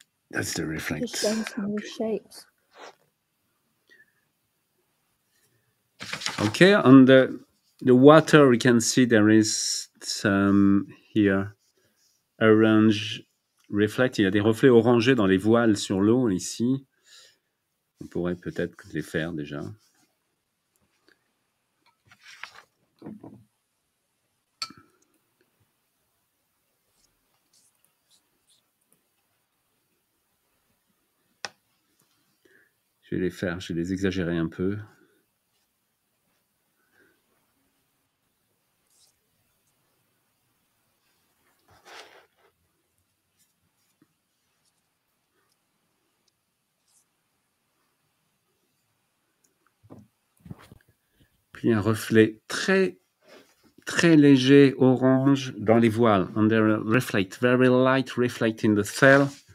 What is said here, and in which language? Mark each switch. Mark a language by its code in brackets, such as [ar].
[en] That's the reflex. Just going to new shapes. Okay, on the water, we can see there is some here orange reflect. [fr] Il y a des reflets orangés dans les voiles sur l'eau ici. On pourrait peut-être les faire déjà. Je vais les faire, je vais les exagérer un peu. Puis un reflet très, très léger orange dans les voiles. [en] Under a reflect, very light reflect in the cell.